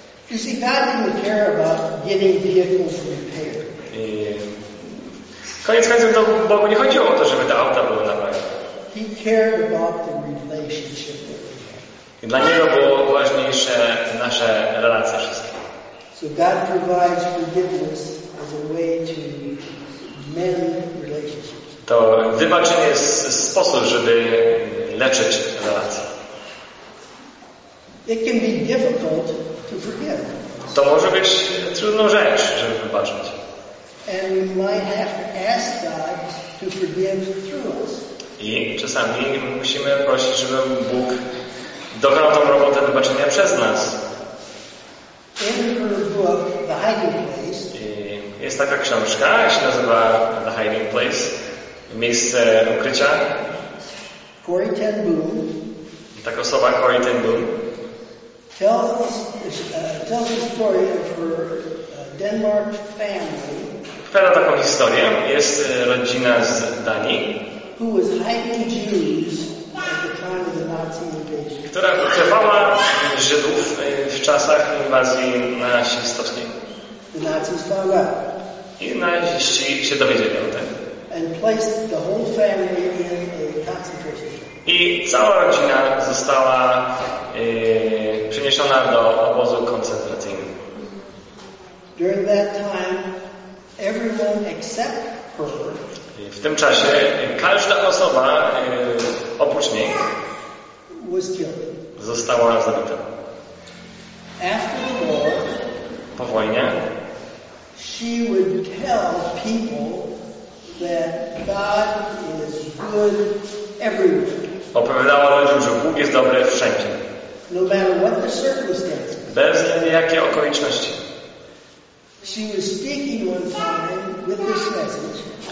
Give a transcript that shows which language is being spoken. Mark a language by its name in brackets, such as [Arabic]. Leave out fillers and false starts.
[English] You see, God didn't care about getting vehicles repaired. [Polish] Koniec końców to Bogu nie chodziło o to, żeby te auta były naprawione. [English] He cared about the relationship. [Polish] I dla niego było ważniejsze nasze relacje wszystkie. [English] So God provides forgiveness as a way to mend relationships. [Polish] To wybaczenie jest sposób, żeby leczyć relacje. [English] It can be difficult to forgive. [Polish] To może być trudną rzecz, żeby wybaczyć. [English] And we might have to ask God to forgive through us. [Polish] I czasami musimy prosić, żeby Bóg dokonał tą robotę wybaczenia przez nas. [English] In her book, The Hiding Place. [Polish] Jest taka książka, się nazywa The Hiding Place, miejsce ukrycia. [English] Corrie ten Boom. [Polish] Tak osoba Corrie ten Boom. [English] Tells the story of her Denmark family. [Polish] Opowiada taką historię. Jest rodzina z Danii. [English] Who was hiding Jews at the time of the Nazi invasion. [Polish] Która ukrywała Żydów w czasach inwazji nazistowskiej. [English] The Nazis found out. [Polish] I naziści się dowiedzieli o tym. [English] And placed the whole family in a concentration camp. [Polish] I cała rodzina została przeniesiona do obozu koncentracyjnego. [English] During that time, everyone except her. [Polish] W tym czasie każda osoba oprócz niej [English] was killed. [Polish] Została zabita. [English] After the war, [Polish] po wojnie, [English] she would tell people that God is good everywhere. [Polish] Opowiadała ludziom, że Bóg jest dobry wszędzie. [English] No matter what the circumstances. [Polish] Bez względu jakie okoliczności. [English] She was speaking one time with this message.